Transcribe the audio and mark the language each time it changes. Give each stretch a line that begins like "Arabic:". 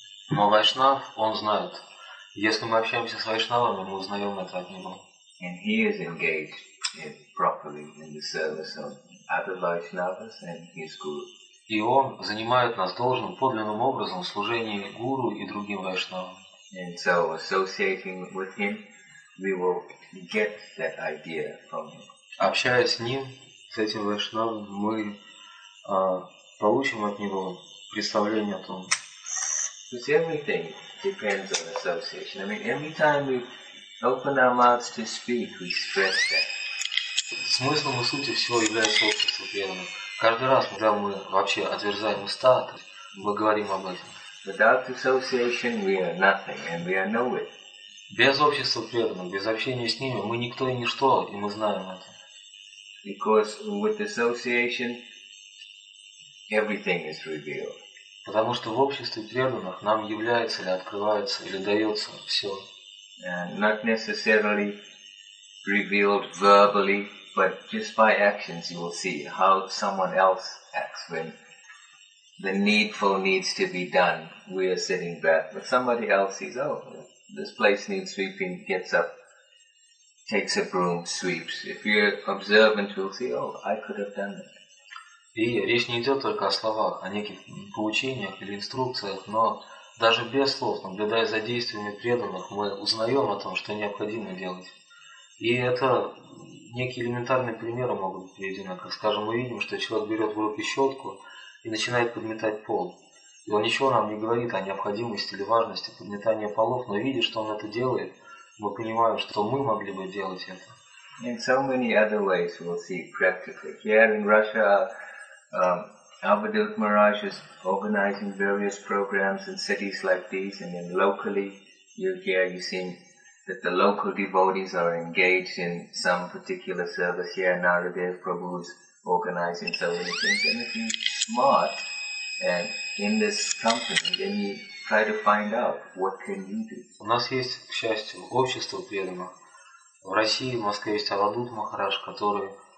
Russian: Но Вайшнав, он знает. Если мы общаемся с Вайшнавами, мы узнаем это от него.
English: And he is engaged properly in the service of other Vaishnavas and his guru.
Russian: И он занимает нас должным подлинным образом в служении гуру и другим вайшнавам.
English: And so associating with him, we will get that idea from him.
Russian: Общаясь с ним, с этим вайшнавом, мы получим от него представление о том.
English: So everything depends on association. I mean, every time we open our mouths to speak, we express that.
Russian: Смыслом и сути всего является общество преданных. Каждый раз, когда мы вообще отверзаем уста, мы говорим об этом.
English: Without association, we are nothing, and we are nowhere.
Russian: Без общества преданных, без общения с ними, мы никто и ничто, и мы знаем это.
English: Because with association, everything is revealed.
Russian: Потому что в обществе преданных нам является или открывается или дается все.
English: Not necessarily revealed verbally, but just by actions you will see how someone else acts when the needful needs to be done. We are sitting back, but somebody else sees, oh, this place needs sweeping, gets up, takes a broom, sweeps. If you're observant, you'll see, oh, I could have done that.
Russian: И речь не идет только о словах, о неких поучениях или инструкциях, но даже без слов, наблюдая за действиями преданных, мы узнаем о том, что необходимо делать. И это некие элементарные примеры могут быть приведены. Как, скажем, мы видим, что человек берет в руки щетку и начинает подметать пол. И он ничего нам не говорит о необходимости или важности подметания полов, но видя, что он это делает, мы понимаем, что мы могли бы делать это.
English: In so many other ways we'll see practically. Here in Russia, Avadhut Maharaj is organizing various programs in cities like these, and then locally, you're seeing that the local devotees are engaged in some particular service here. Naradev Prabhu is organizing so many things. And if you're smart and in this company, then you try to find out what can you do.
Russian: У нас есть, к счастью, общество преданных. В России, в Москве есть Авадут Махарадж, который